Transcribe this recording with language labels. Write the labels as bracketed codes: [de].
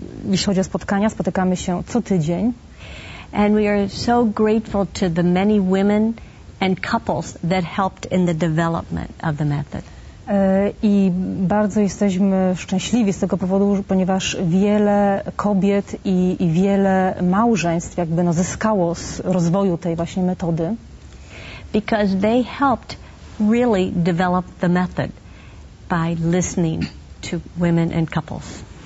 [pl] Jeśli chodzi o spotkania, spotykamy się co tydzień. [en] And we are so grateful to the many women and couples that helped in the development of the method. [pl] I bardzo jesteśmy szczęśliwi z tego powodu, ponieważ wiele kobiet i wiele małżeństw jakby no zyskało z rozwoju tej właśnie metody. [en] Because they helped really develop the method by listening to women and couples.